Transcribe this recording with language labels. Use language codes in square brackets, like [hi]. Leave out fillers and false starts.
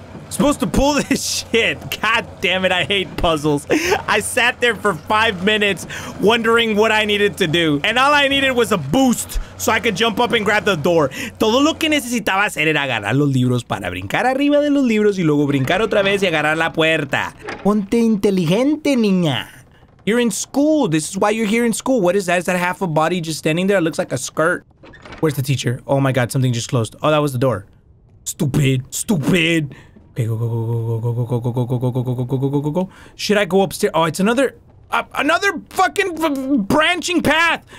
[en] Supposed to pull this shit. God damn it, I hate puzzles. I sat there for 5 minutes wondering what I needed to do, and all I needed was a boost so I could jump up and grab the door. [es] Todo lo que necesitaba hacer era agarrar los libros para brincar arriba de los libros y luego brincar otra vez y agarrar la puerta. Ponte inteligente, niña. [en] You're in school. This is why you're here in school. What is that? Is that half a body just standing there? It looks like a skirt. Where's the teacher? Oh my God, something just closed. Oh, that was the door. Stupid, stupid. Okay, go, go, go, go, go, go, go, go, go, go, go, go, go, go, go, go, go, go, go, go. Should I go upstairs? Oh, it's another fucking branching path.